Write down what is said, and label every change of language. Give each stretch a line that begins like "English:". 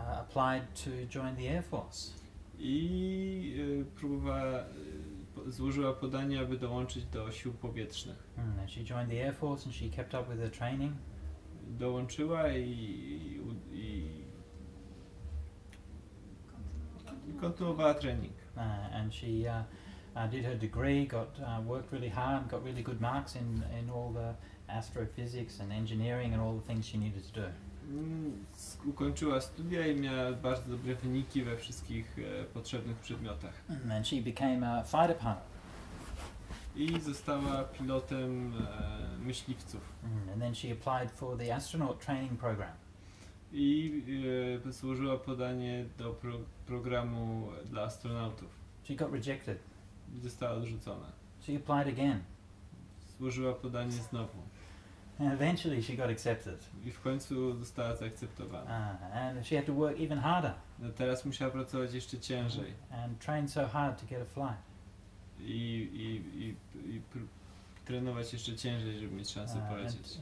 English: applied to join the Air Force.
Polish: I próbowała, złożyła podanie, aby dołączyć do sił powietrznych.
English: She joined the Air Force and she kept up with her training.
Polish: Dołączyła i kontynuowała trening.
English: And she did her degree, got worked really hard, got really good marks in all the astrophysics and engineering and all the things she needed to do.
Polish: Ukończyła studia i miała bardzo dobre wyniki we wszystkich potrzebnych przedmiotach.
English: And she became a fighter pilot.
Polish: I została pilotem myśliwców.
English: And then she applied for the astronaut training program.
Polish: I złożyła podanie do programu dla astronautów.
English: She got rejected.
Polish: Została odrzucona.
English: She applied again.
Polish: Złożyła podanie znowu.
English: And eventually she got accepted.
Polish: I w końcu została zaakceptowana.
English: And she had to work even harder.
Polish: No teraz musiała pracować jeszcze ciężej.
English: And train so hard to get a flight.
Polish: I trenować jeszcze ciężej, żeby mieć szansę polecieć.